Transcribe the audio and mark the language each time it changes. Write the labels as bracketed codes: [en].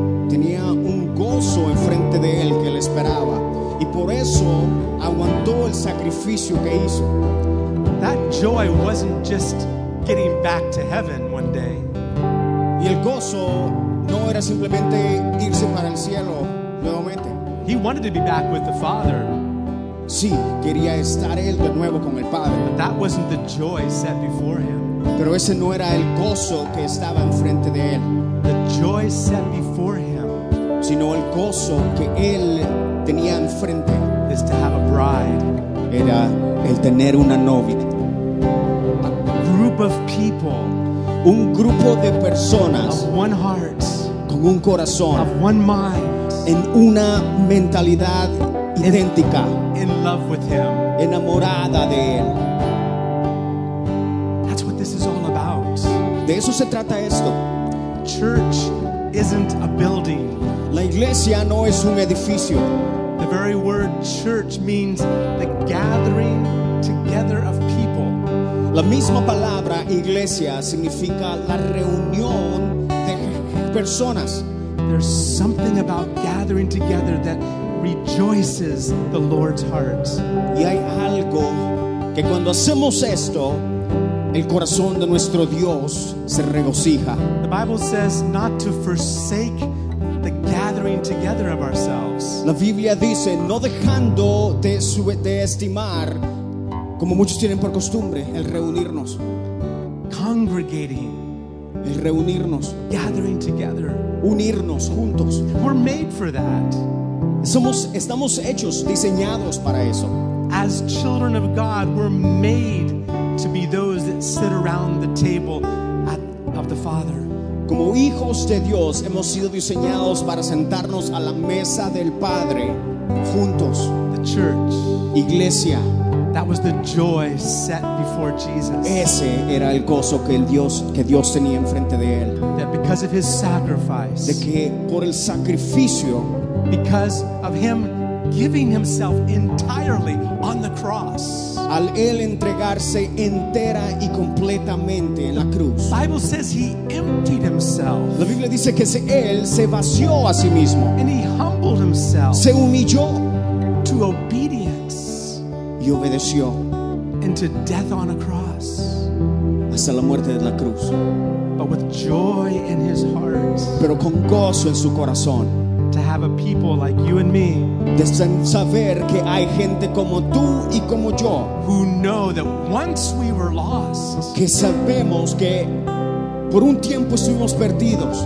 [es] Tenía un gozo enfrente de él que le esperaba, y por eso aguantó el sacrificio que hizo. [en] That joy wasn't just getting back to heaven one day. [es] Y el gozo no era simplemente irse para el cielo nuevamente. [en] He wanted to be back with the Father. [es] Sí, quería estar él de nuevo con el Padre. [en] But that wasn't the joy set before him. [es] Pero ese no era el gozo que estaba enfrente de él. [en] The joy set before him, [es] sino el gozo que él tenía enfrente, [en] is to have a bride. [es] Era el tener una novia. [en] A group of people, [es] un grupo de personas, [en] of one heart, [es] con un corazón, [en] of one mind, [es] en una mentalidad idéntica. [en] In love with him. [es] Enamorada de él. [en] That's what this is all about. [es] De eso se trata esto. [en] Church isn't a building. [es] La iglesia no es un edificio. [en] The very word church means the gathering together of people. [es] La misma palabra iglesia significa la reunión de personas. [en] There's something about gathering together that rejoices the Lord's heart. [es] Y hay algo que cuando hacemos esto, el corazón de nuestro Dios se regocija. [en] The Bible says not to forsake the gathering together of ourselves. [es] La Biblia dice no dejando de estimar, como muchos tienen por costumbre, el reunirnos. [en] Congregating. [es] El reunirnos. [en] Gathering together. [es] Unirnos juntos. [en] We're made for that. [es] Estamos hechos, diseñados para eso. [en] As children of God, we're made to be those that sit around the table of the Father. [es] Como hijos de Dios, hemos sido diseñados para sentarnos a la mesa del Padre juntos. [en] The church. [es] Iglesia. [en] That was the joy set before Jesus. [es] Ese era el gozo que Dios tenía enfrente de él. [en] That because of his sacrifice. [es] De que por el sacrificio. [en] Because of him giving himself entirely on the cross. [es] Al él entregarse entera y completamente en la cruz. [en] The Bible says he emptied himself. [es] La Biblia dice que él se vació a sí mismo. [en] And he humbled himself. [es] Se humilló. [en] To obedience. [es] Y obedeció. [en] And to death on a cross. [es] Hasta la muerte de la cruz. [en] But with joy in his heart. [es] Pero con gozo en su corazón. [en] To have a people like you and me, [es] de saber que hay gente como tú y como yo, [en] who know that once we were lost, [es] que sabemos que por un tiempo estuvimos perdidos,